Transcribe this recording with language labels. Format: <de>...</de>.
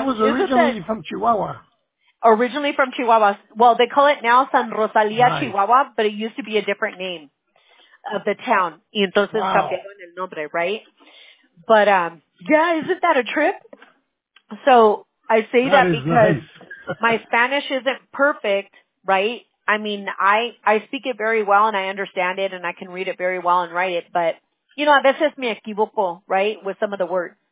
<en>He was originally from Chihuahua. Originally from Chihuahua. Well, they call it now San Rosalia, right. Chihuahua, but it used to be a different name of the town.</en> <es>Y entonces cambiaron el nombre, right?</es> <en>But, yeah, isn't that a trip? So I say that, because my Spanish isn't perfect, right? I mean, I speak it very well, and I understand it, and I can read it very well and write it. But, you know,</en> <es>a veces me equivoco,</es> <en>right, with some of the words.</en>